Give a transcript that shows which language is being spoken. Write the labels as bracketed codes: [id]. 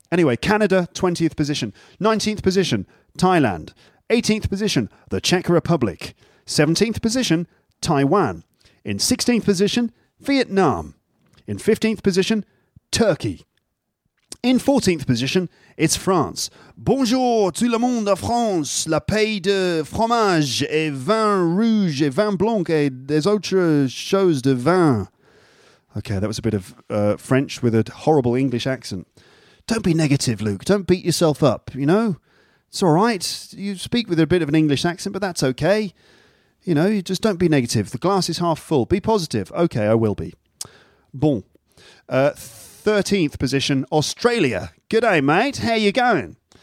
[en] Anyway, Canada, 20th position. 19th position, Thailand. 18th position, the Czech Republic. 17th position, Taiwan. In 16th position, Vietnam. In 15th position, Turkey. In 14th position, it's France. [fr] Bonjour tout le monde en France. La paix de fromage et vin rouge et vin blanc et des autres choses de vin. [en] Okay, that was a bit of French with a horrible English accent. Don't be negative, Luke. Don't beat yourself up, you know? It's all right. You speak with a bit of an English accent, but that's okay. You know, you just don't be negative. The glass is half full. Be positive. Okay, I will be. Bon. 13th position, Australia. G'day, mate. How you going?